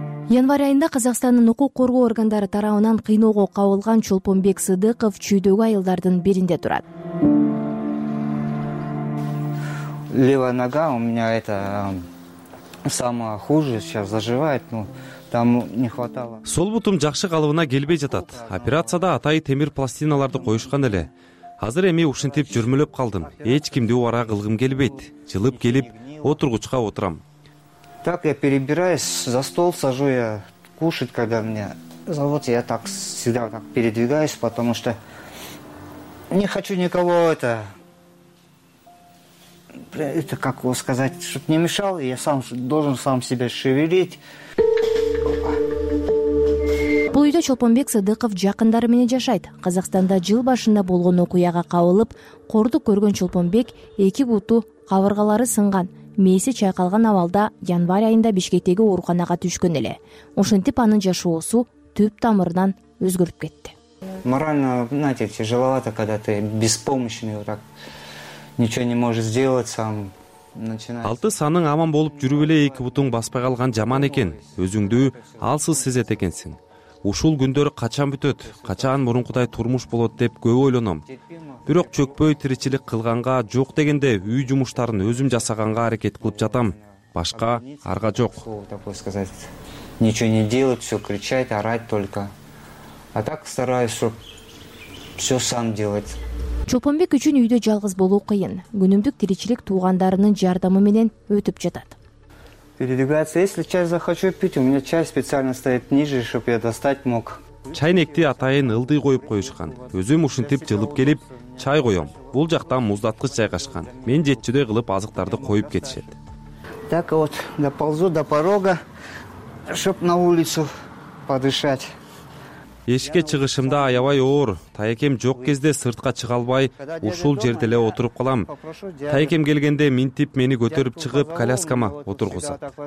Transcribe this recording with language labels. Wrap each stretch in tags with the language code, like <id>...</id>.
<ky>Январь айында Казакстандын укук коргоо органдары тарабынан кыйноого кабылган Чолпонбек Сыдыков чүйдөгү айылдардын биринде турат.</ky> <ru>Левая нога у меня это самое хуже сейчас заживает, но там не хватало.</ru> <ky>Сол бутум жакшы калыбына келбей жатат. Операцияда атай темир пластиналарды коюшкан эле. Азыр эми ушинтип жүрмөлөп калдым. Эч кимди убара кылгым келбейт. Жылып келип отургучка отурам.</ky> <ru>Так я перебираюсь за стол, сажу я кушать, когда мне зовут, я так всегда так передвигаюсь, потому что не хочу никого это. Это как его сказать, чтобы не мешал, я сам должен сам себя шевелить.</ru> <ky>Бул үйдө Чолпонбек Сыдыков жакындары менен жашайт. Казакстанда жыл башында болгон окуяга кабылып, кордук көргөн Чолпонбек эки буту кабыргалары сынган. Мээси чайкалган абалда январь айында Бишкектеги ооруканага түшкөн эле. Ошентип анын жашоосу түп тамырынан өзгөрүп кетти.</ky> <ru>Морально, знаете, тяжеловато, когда ты беспомощный, вот так ничего не можешь сделать сам.</ru> <ky>Алты санын аман болуп жүрүп эле эки бутун баспай калган жаман экен. Өзүңдү алсыз сезет экенсиң. Ушул күндөр качан бүтөт, качан мурункудай турмуш болот деп көп ойлоном. Бирок чөкпөй тиричилик кылганга, жок дегенде үй жумуштарын өзүм жасаганга аракет кылып жатам. Башка арга жок.</ky> <ru>Такое сказать, ничего не делать, все кричать, орать только. А так стараюсь, чтоб все сам делать.</ru> <ky>Чолпонбек үчүн үйдө жалгыз болуу кыйын. Күнүмдүк тиричилик туугандарынын жардамы менен өтүп жатат.</ky> <ru>Передвигаться, если чай захочу пить, у меня чай специально стоит ниже, чтоб я достать мог.</ru> <ky>Чайнекти атайын ылдый коюп коюшкан. Өзүм ушинтип жылып келип, чай коём. Бул жактан муздаткыч жайгашкан. Мен жетчүдөй кылып азыктарды коюп кетишет.</ky> <ru>Так вот, доползу до порога, чтоб на улицу подышать.</ru> <ky>Эшикке чыгышымда аябай оор. Таекем жок кезде сыртка чыга албай, ушул жерде эле отуруп калам. Таекем келгенде минтип мени көтөрүп чыгып коляскама отургузат.</ky>